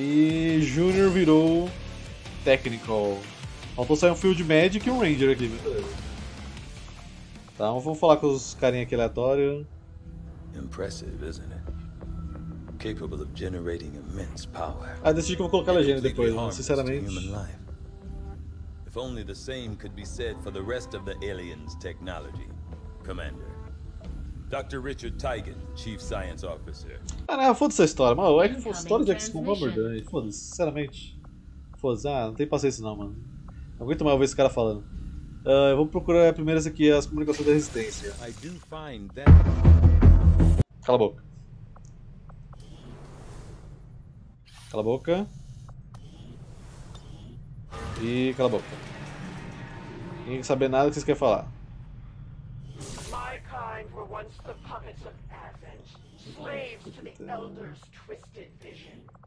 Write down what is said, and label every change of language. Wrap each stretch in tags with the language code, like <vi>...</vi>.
<pt>E Junior virou Technical. Faltou sair um Field Magic e um Ranger aqui, viu? Tá, vamos falar com os carinha aqui aleatório.</pt> <en>Impressive, isn't it? Capable of generating immense power.</en> <pt>Ah, decidi que vou colocar a legenda depois, mano, sinceramente.</pt> <en>If only the same could be said for the rest of the aliens' technology, Commander.</en> <pt>Dr. Richard Tigan,</pt> <en>Chief Science Officer.</en> <pt>Ah, não, foda-se essa história, mano. É que foda-se a história de X-Com Bomber, né? Foda-se, sinceramente. Foda-se, ah, não tem paciência não, mano. Não aguento mais ouvir esse cara falando. Eu vou procurar primeiras aqui as comunicações da resistência.</pt> <en>I do find that...</en> <pt>Cala a boca. Cala a boca. E cala a boca. Ninguém quer saber nada que vocês querem falar.</pt> <en>My kind were once the puppets of Advent, slaves to the Elder's twisted vision.</en>